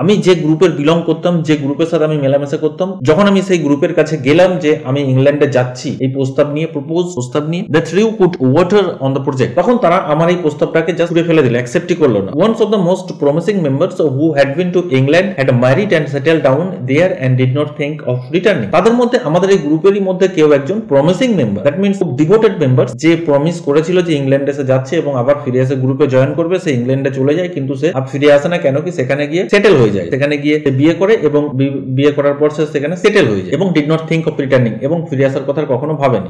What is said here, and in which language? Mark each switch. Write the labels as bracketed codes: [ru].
[bn] আমি যে গ্রুপের বিলং করতাম যে গ্রুপের সাথে আমি মেলামেশা করতাম যখন আমি সেই গ্রুপের কাছে গেলাম যে আমি ইংল্যান্ডে যাচ্ছি এই প্রস্তাব নিয়ে প্রপোজ প্রস্তাব নিয়ে [en] the three put water on the project [bn] তখন তারা আমার এই প্রস্তাবটাকে জাস্ট ফেলে দিল অ্যাকসেপ্টই করলো না. [en] One of the most promising members who had been to England had married and settled down there and did not think of returning. [bn] তাদের মধ্যে আমাদের এই গ্রুপেরই মধ্যে কেউ একজন promising member, that means খুব devoted members, যে promise করেছিল যে ইংল্যান্ডে সে যাচ্ছে এবং আবার ফিরে এসে গ্রুপে জয়েন করবে, সে ইংল্যান্ডে চলে যায় কিন্তু সে আর ফিরে আসে না, কেন কি সেখানে গিয়ে সেটেল হয়ে যায়, সেখানে গিয়ে সে বিয়ে করে এবং বিয়ে করার পর সে সেখানে সেটেল হয়ে যায় এবং [en] did not think of returning [bn] এবং ফিরে আসার কথা কখনো ভাবেনি।